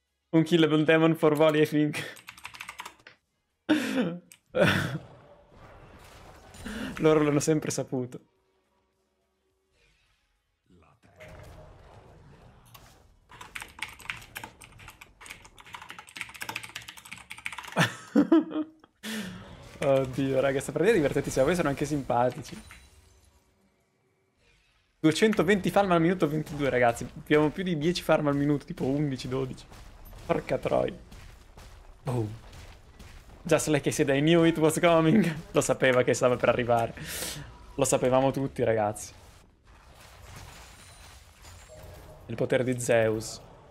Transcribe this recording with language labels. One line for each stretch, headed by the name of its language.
English: Un killable demon for volley, I think.
Italian: Loro l'hanno sempre saputo. Oddio, raga, sta partita è divertentissima. Voi sono anche simpatici. 220 farm al minuto, 22, ragazzi. Abbiamo più di 10 farm al minuto, tipo 11, 12. Porca troia. Boom.
English: Just like I said, I knew it was coming.
Italian: Lo sapeva che stava per arrivare. Lo sapevamo tutti, ragazzi. Il potere di Zeus.